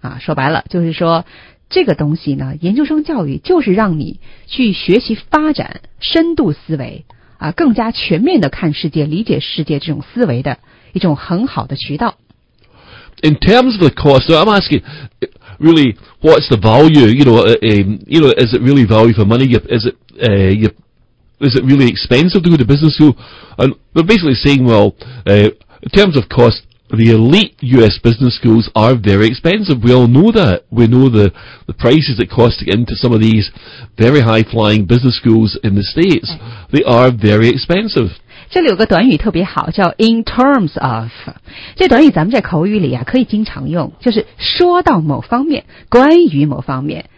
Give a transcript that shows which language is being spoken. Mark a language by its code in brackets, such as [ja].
[zh] 说白了，就是说这个东西呢，研究生教育就是让你去学习发展深度思维更加全面的看世界，理解世界这种思维的一种很好的渠道。 [en] In terms of the cost, I'm asking, really, what's the value? You know, is it really value for money? Is it really expensive to go to business school? And we're basically saying, well, in terms of cost, the elite US business schools are very expensive. We all know that. We know the prices it costs to get into some of these very high-flying business schools in the States. They are very expensive. [zh] 这里有个短语特别好，叫 in terms of. 这短语咱们在口语里可以经常用，就是说到某方面，关于某方面。